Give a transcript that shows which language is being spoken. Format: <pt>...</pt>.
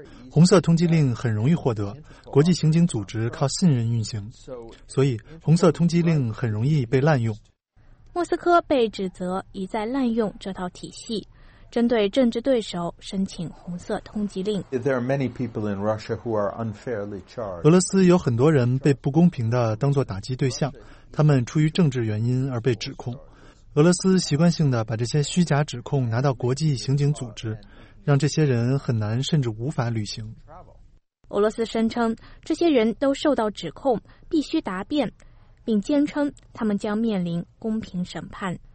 <zh>红色通缉令很容易获得，国际刑警组织靠信任运行，所以红色通缉令很容易被滥用。莫斯科被指责一再滥用这套体系，针对政治对手申请红色通缉令。</zh> <en>There are many people in Russia who are unfairly charged.</en> <zh>俄罗斯有很多人被不公平地当作打击对象，他们出于政治原因而被指控。俄罗斯习惯性地把这些虚假指控拿到国际刑警组织，让这些人很难甚至无法履行。俄罗斯声称这些人都受到指控，必须答辩，并坚称他们将面临公平审判。</zh>